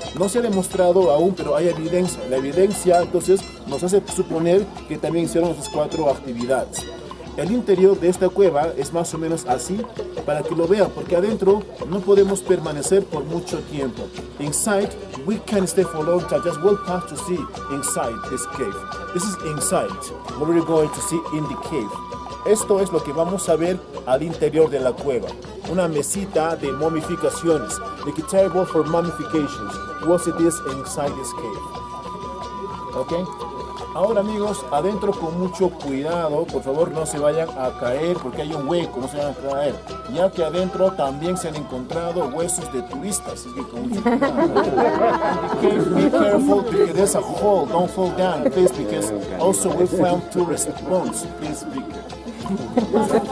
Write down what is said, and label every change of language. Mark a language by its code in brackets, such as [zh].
[es] No se ha demostrado aún, pero hay evidencia. La evidencia entonces nos hace suponer que también hicieron esas cuatro actividades. El interior de esta cueva es más o menos así, para que lo vean, porque adentro no podemos permanecer por mucho tiempo. [en] Inside, we can stay for a long time, just walk past to see inside this cave. This is inside, what we're going to see in the cave. [es] Esto es lo que vamos a ver al interior de la cueva. Una mesita de momificaciones. [en] The table for mummifications. What it is inside this cave. Okay? [es] Ahora amigos, adentro con mucho cuidado, por favor no se vayan a caer porque hay un hueco, no se vayan a caer. Ya que adentro también se han encontrado huesos de turistas, así que con mucho cuidado. [en] Be careful because there's a hole, don't fall down, please, because also we found tourist bones, please be careful.